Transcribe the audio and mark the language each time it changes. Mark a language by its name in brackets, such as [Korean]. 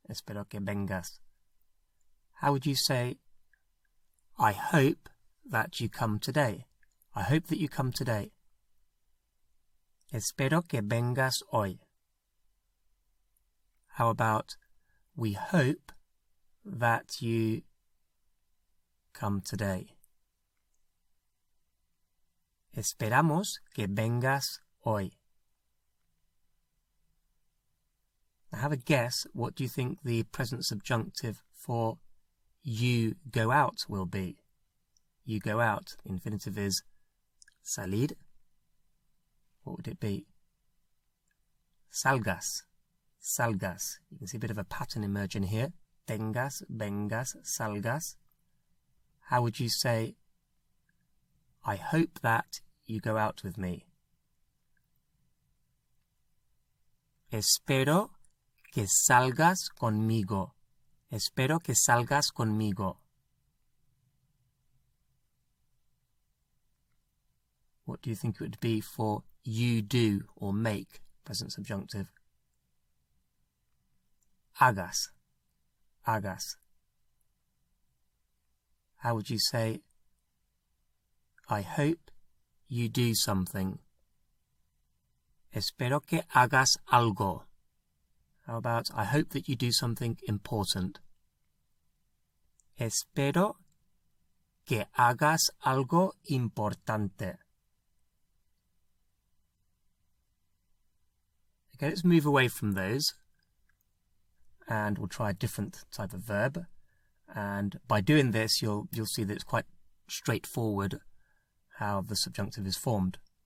[Spanish] Espero que vengas. [English] How would you say, I hope that you come today? I hope that you come today. [Spanish] Espero que vengas hoy. [English] How about, we hope that you come today. [Spanish] Esperamos que vengas hoy. [English] Now have a guess, what do you think the present subjunctive for you go out will be? You go out, the infinitive is salir. What would it be? Salgas, salgas. You can see a bit of a pattern emerging here. Tengas, vengas, salgas. How would you say, I hope that you go out with me? [Spanish] Espero que salgas conmigo. Espero que salgas conmigo. [English] What do you think it would be for you do or make, present subjunctive? [Spanish] Hagas, hagas. [English] How would you say, I hope you do something? [Spanish] Espero que hagas algo. [English] How about, I hope that you do something important? [Spanish] Espero que hagas algo importante. [English] Okay, let's move away from those and we'll try a different type of verb. And by doing this, you'll see that it's quite straightforward how the subjunctive is formed.